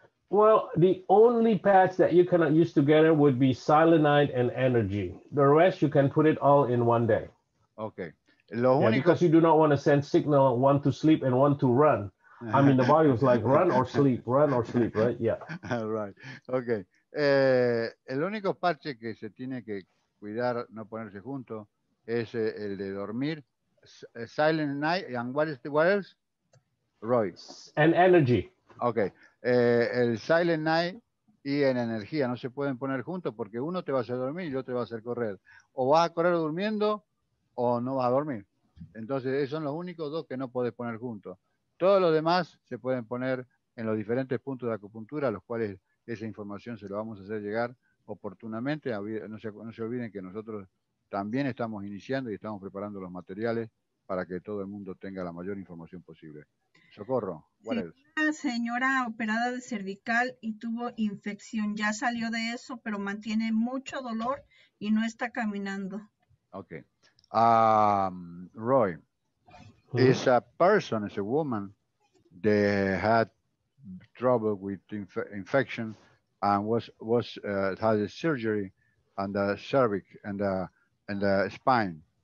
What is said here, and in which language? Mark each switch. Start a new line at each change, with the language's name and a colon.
English: Well, the only patch that you cannot use together would be selenite and energy. The rest, you can put it all in one day. Okay. Because you do not want to send signal one to sleep and one to run. I mean, the body was like, run or sleep, right? Yeah. All right. Okay.
Spanish: El único parche que se tiene que cuidar, no ponerse junto, es el de dormir.
English: Silent night, and what else? Roy. And energy. Okay.
Spanish: El Silent Night y en energía no se pueden poner juntos porque uno te va a hacer dormir y el otro te va a hacer correr. O vas a correr durmiendo o no vas a dormir. Entonces, esos son los únicos dos que no puedes poner juntos. Todos los demás se pueden poner en los diferentes puntos de acupuntura, a los cuales esa información se lo vamos a hacer llegar oportunamente. No se olviden que nosotros también estamos iniciando y estamos preparando los materiales para que todo el mundo tenga la mayor información posible. Socorro, ¿cuál es? Una señora operada de cervical y tuvo infección. Ya salió de eso, pero mantiene mucho dolor y no está caminando. Ok.
English: Roy, is a person, is a woman, they had trouble with infection and had a surgery on the cervix and the spine.